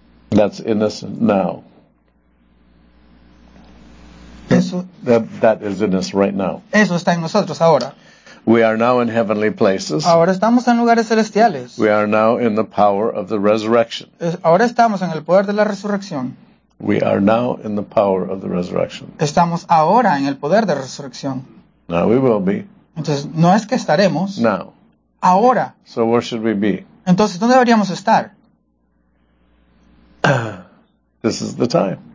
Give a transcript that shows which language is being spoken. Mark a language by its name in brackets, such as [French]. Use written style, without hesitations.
[English] That's in us now. [Spanish] Eso, [English] that is in us right now. [Spanish] Eso está en nosotros ahora. [English] We are now in heavenly places. [Spanish] Ahora estamos en lugares celestiales. [English] We are now in the power of the resurrection. [Spanish] Ahora estamos en el poder de la resurrección. [English] We are now in the power of the resurrection. [Spanish] Estamos ahora en el poder de resurrección. [English] Now we will be. [Spanish] Entonces, no es que estaremos. [English] Now. [Spanish] Ahora. [English] So where should we be? [Spanish] Entonces, ¿dónde deberíamos estar? [English] This is the time.